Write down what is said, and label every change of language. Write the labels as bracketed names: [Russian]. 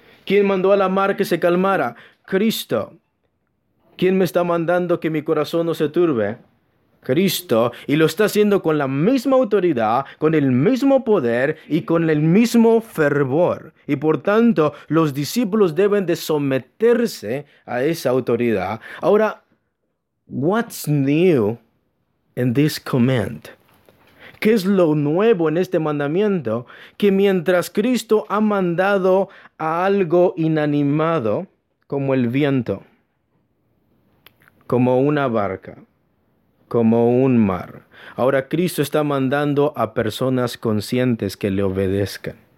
[Spanish] ¿Quién mandó a la mar que se calmara? Cristo. ¿Quién me está mandando que mi corazón no se turbe? Cristo. Y lo está haciendo con la misma autoridad, con el mismo poder y con el mismo fervor. Y por tanto, los discípulos deben de someterse a esa autoridad. Ahora, [English] what's new in this command? [Spanish] ¿Qué es lo nuevo en este mandamiento? Que mientras Cristo ha mandado a algo inanimado como el viento, como una barca, como un mar, ahora Cristo está mandando a personas conscientes que le obedezcan.